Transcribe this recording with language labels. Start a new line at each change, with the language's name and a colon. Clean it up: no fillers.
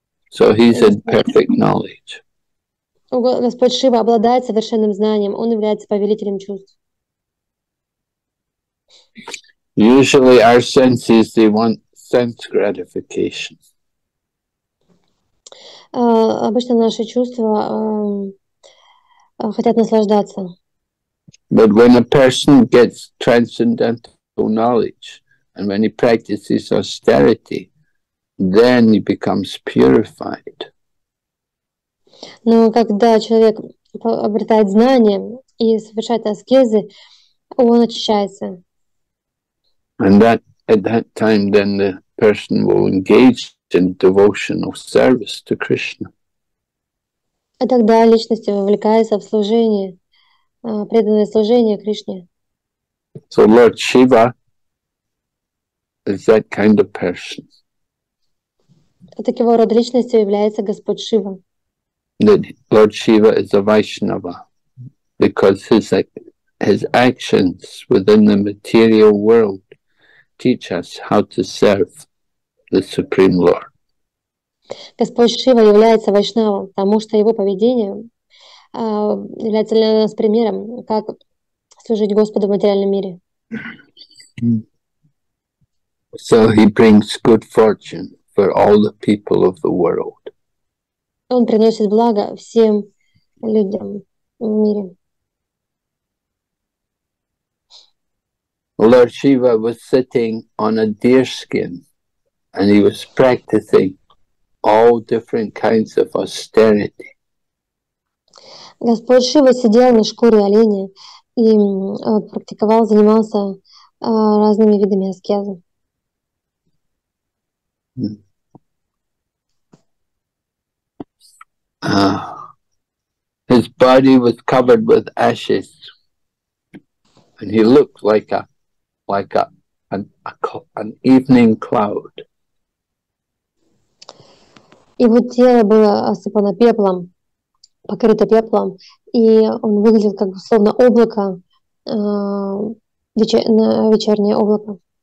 English: So he's in perfect knowledge.
Russian: Господь Шива обладает совершенным знанием. Он является повелителем чувств.
English: Usually our senses, they want sense gratification.
Russian: Обычно наши чувства хотят наслаждаться.
English: But when a person gets transcendental knowledge, and when he practices austerity, then he becomes purified.
Russian: Но когда человек обретает знания и совершает аскезы, он очищается.
English: And that at that time, then the person will engage in devotional service to Krishna.
Russian: А тогда личность вовлекается в служение, преданное служение Кришне.
English: So Lord Shiva is that kind of person.
Russian: Такого рода личностью является Господь Шива.
English: That Lord Shiva is a Vaishnava because his actions within the material world teach us how to serve the Supreme Lord.
Russian: Господь Шива является вайшнавом, потому что его поведение является для нас примером, как служить Господу в материальном мире.
English: So he brings good fortune for all the people of the world.
Russian: Он приносит благо всем людям в мире.
English: Lord Shiva was sitting on a deer skin and he was practicing all different kinds of austerity.
Russian: Господь Шива сидел на шкуре оленя и практиковал, занимался разными видами аскезы.
English: His body was covered with ashes, and he looked like an evening cloud.
Russian: Его тело было осыпано пеплом, покрыто пеплом, и он выглядел как словно облако, вечернее облако.